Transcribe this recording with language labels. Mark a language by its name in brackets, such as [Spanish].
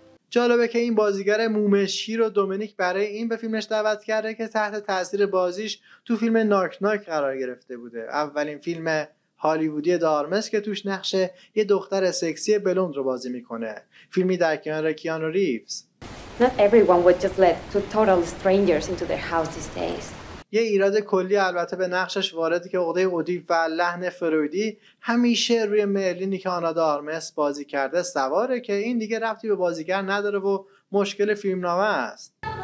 [Persian] جالبه که این بازیگر مومشی رو دومینیک برای این به فیلمش دعوت کرده که تحت تاثیر بازیش تو فیلم ناک ناک قرار گرفته بوده. اولین فیلم هالیوودی دارمس که توش نقشه یه دختر سکسی بلوند رو بازی میکنه. فیلمی در کنار کیانو ریوز. [English] Not everyone would just let two total strangers into their house these days. [Persian] یه ایراد کلی البته به نقشش وارده که عقده ادیپ و لحن فرویدی همیشه روی مرلینی که آنا دارمس بازی کرده سواره که این دیگه ربطی به بازیگر نداره و مشکل فیلمنامه است.